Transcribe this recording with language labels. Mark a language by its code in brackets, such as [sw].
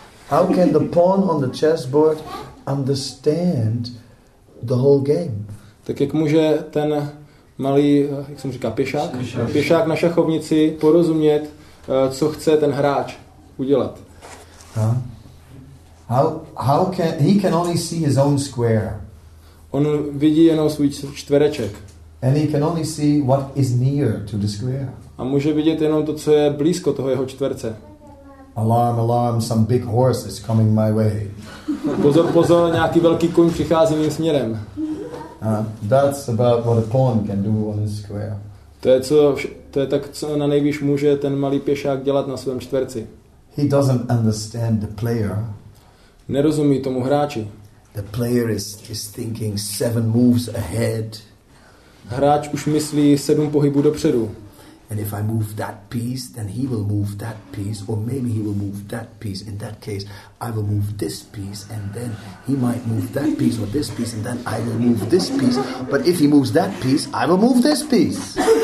[en] How can the pawn on the chessboard understand the whole game? [cs] Tak jak může ten malý, jak jsem říkal, pěšák na šachovnici porozumět, co chce ten hráč udělat? [en] How can he can only see his own square? [cs] On vidí jenom svůj čtvereček. [en] And he can only see what is near to the square. [cs] A může vidět jenom to, co je blízko toho jeho čtverce. [en] Alarm, alarm, some big horse is coming my way. [cs] Pozor, pozor, nějaký velký kuň přichází mým směrem. [en] That's about what a pawn can do on his square. [cs] To je tak, co na nejvíc může ten malý pěšák dělat na svém čtverci. [en] He doesn't understand the player. [cs] Nerozumí tomu hráči. [en] The player is thinking seven moves ahead. [cs] Hráč už myslí sedm pohybů dopředu. [en] And if I move that piece, then he will move that piece, or maybe he will move that piece. In that case, I will move this piece, and then he might move that piece or this piece, and then I will move this piece. But if he moves that piece, I will move this piece.